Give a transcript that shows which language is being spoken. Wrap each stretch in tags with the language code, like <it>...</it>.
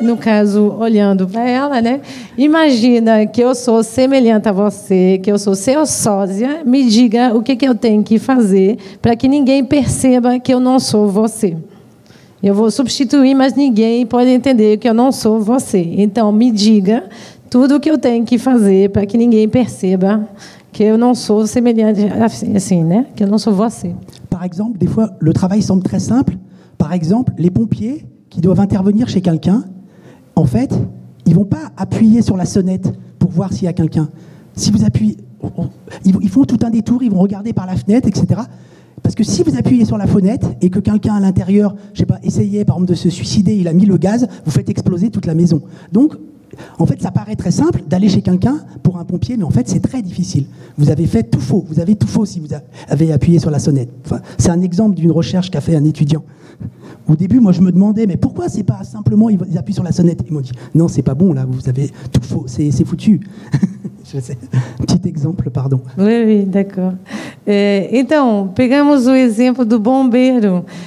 <pt>No caso, olhando para ela, né? Imagina que eu sou semelhante a você, que eu sou seu sósia, me diga o que, que eu tenho que fazer para que ninguém perceba que eu não sou você. Eu vou substituir, mas ninguém pode entender que eu não sou você. Então, me diga tudo o que eu tenho que fazer para que ninguém perceba que eu não sou semelhante assim, né? Que eu não sou você.</pt> <fr>Par exemple, des fois, le travail semble très simple. Par exemple, les pompiers qui doivent intervenir chez quelqu'un, en fait, ils vont pas appuyer sur la sonnette pour voir s'il y a quelqu'un. Si vous appuyez, ils font tout un détour, ils vont regarder par la fenêtre, etc. Parce que si vous appuyez sur la fenêtre et que quelqu'un à l'intérieur, je sais pas, essayait par exemple de se suicider, il a mis le gaz, vous faites exploser toute la maison. Donc, en fait, ça paraît très simple d'aller chez quelqu'un pour un pompier, mais en fait, c'est très difficile. Vous avez fait tout faux. Vous avez tout faux si vous avez appuyé sur la sonnette. Enfin, c'est un exemple d'une recherche qu'a fait un étudiant. Au début, moi, je me demandais, mais pourquoi c'est pas simplement ils appuient sur la sonnette? Ils m'ont dit, non, c'est pas bon, là, vous avez tout faux, c'est foutu. Je sais. Petit exemple, pardon. Oui, oui, d'accord.</fr> <pt>Então, pegamos o exemplo do bombeiro.</pt>